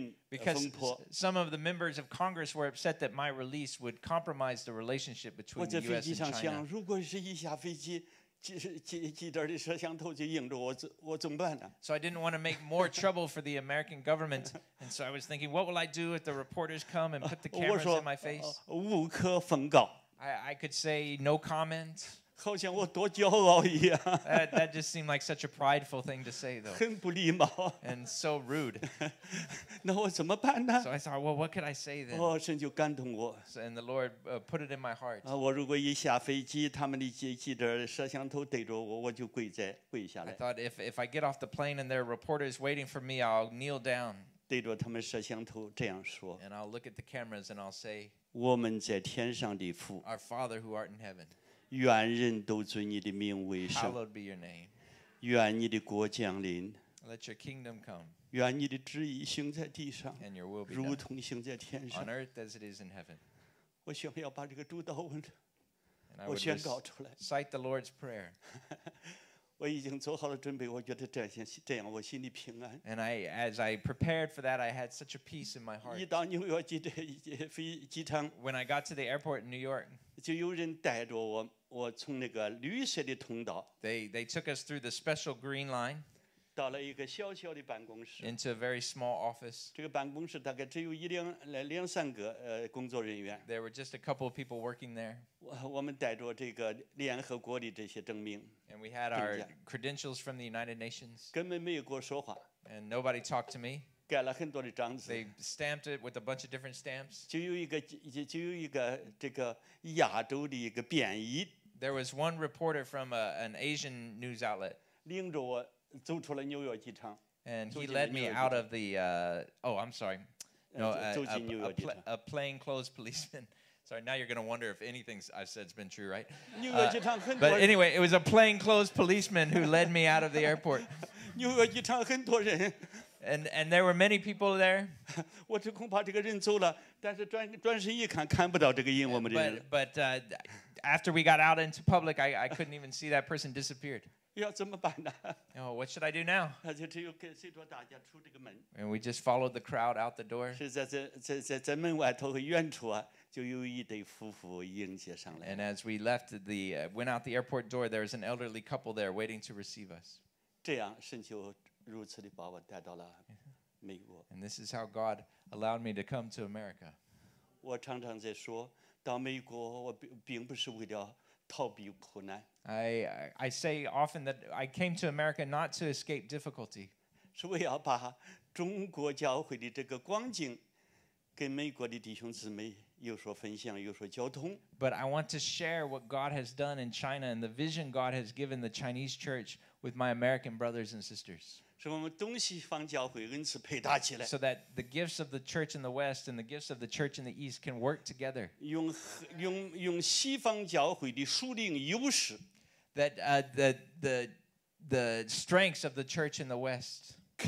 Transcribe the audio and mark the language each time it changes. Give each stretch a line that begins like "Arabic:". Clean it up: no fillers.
English: Because some of the members of Congress were upset that my release would compromise the relationship between the U.S. and China.
Chinese: 如果是一下飞机，记者的摄像头就迎着我怎么办呢？
English: So I didn't want to make more trouble for the American government, and so I was thinking, what will I do if the reporters come and put the cameras in my face?
Chinese: 无可奉告。
English: I could say no comment.
Chinese: 好像我多骄傲一样。
English: That just seemed like such a prideful thing to say, though.
Chinese: 很不礼貌。
English: And so rude.
Chinese: 那我怎么办呢？
English: So I thought, well, what could I say then?
Chinese: 哦，神就感动我。
English: And the Lord put it in my heart.
Chinese: 我如果一下飞机，他们的记者摄像头逮着我，我就跪下来。
English: I thought if I get off the plane and there are reporters waiting for me, I'll kneel down.
Chinese: 对着他们摄像头这样说。
English: And I'll look at the cameras and I'll say,
Chinese: 我们在天上的父。
English: Our Father who art in heaven.
Chinese: 愿人都尊你的名为圣。
English: Hallowed be your name.
Chinese: 愿你的国降临。
English: Let your kingdom come.
Chinese: 愿你的旨意行在地上。
English: And your will be done.
Chinese: 如同行在天上。
English: On earth as it is in heaven.
Chinese: 我想要把这个主祷文，我宣告出来。
English: Cite the Lord's prayer.
Chinese: 我已经做好了准备，我觉得这样我心里平安。
English: And I, as I prepared for that, I had such a peace in my heart.
Chinese: 一到纽约机场。
English: When I got to the airport in New York.
Chinese: 就有人带着我，我从那个绿色的通道。
English: They took us through the special green line.
Chinese: 到了一个小小的办公室。
English: Into a very small office.
Chinese: 这个办公室大概只有两三个工作人员。
English: There were just a couple of people working there.
Chinese: 我们带着这个联合国的这些证明。
English: And we had our credentials from the United Nations.
Chinese: 根本没有跟我说话。
English: And nobody talked to me.
Chinese: 盖了很多的章子。
English: They stamped it with a bunch of different stamps.
Chinese: 就有一个这个亚洲的一个编译。
English: There was one reporter from an Asian news outlet.
Chinese: 领着我走出了纽约机场。
English: And he led me out of the I'm sorry. No, a plain clothes policeman. Sorry, now you're going to wonder if anything I've said has been true, right? But anyway, it was a plain clothes policeman who led me out of the airport.
Chinese: 纽约机场很多人。
English: And there were many people there.
Chinese: 我就恐怕这个人走了，但是转身一看，看不到这个影，我们的人。
English: After we got out into public, I couldn't even see that person disappeared.
Chinese: 要怎么办呢？
English: Oh, what should I do now?
Chinese: 就只有跟随着大家出这个门。
English: And we just followed the crowd out the door.
Chinese: 是在门外头和远处啊，就有一对夫妇迎接上来。
English: And as we left the went out the airport door, there was an elderly couple there waiting to receive us.
Chinese: 这样神就。如此地把我带到了美国。
English: And this is how God allowed me to come to America.
Chinese: 我常常在说，到美国我并不是为了逃避苦难。
English: I say often that I came to America not to escape difficulty.
Chinese: 是为了把中国教会的这个光景跟美国的弟兄姊妹有所分享，有所交通。
English: But I want to share what God has done in China and the vision God has given the Chinese church with my American brothers and sisters.
Chinese: 是我们东西方教会恩赐配搭起来。
English: So that the gifts of the church in the West and the gifts of the church in the East can work together.
Chinese: 用西方教会的属灵优势。
English: That the strengths of the church in the West